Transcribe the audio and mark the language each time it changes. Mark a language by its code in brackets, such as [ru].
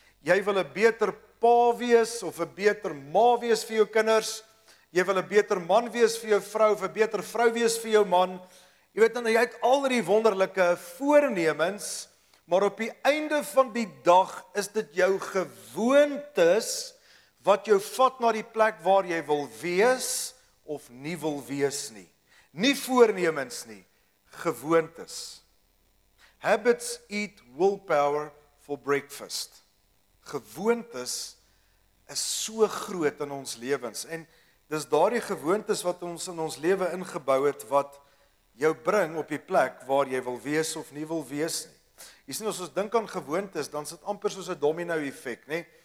[af] Jy wil 'n beter pa wees, of 'n beter ma wees vir jou kinders, jy wil 'n beter man wees vir jou vrou, of 'n beter vrou wees vir jou man. Jy weet, en jy het al die wonderlike voornemens, maar op die einde van die dag is dit jou gewoontes wat jou vat na die plek waar jy wil wees of nie wil wees nie. Nie voornemens nie, gewoontes. [en] Habits eat willpower for breakfast. [af] Gewoontes is so groot in ons lewens, en dis daardie gewoontes wat ons in ons lewe ingebou het wat jou bring op die plek waar jy wil wees of nie wil wees nie. Jy sien, as ons dink aan gewoontes, dan sit amper soos 'n domino effek, nê?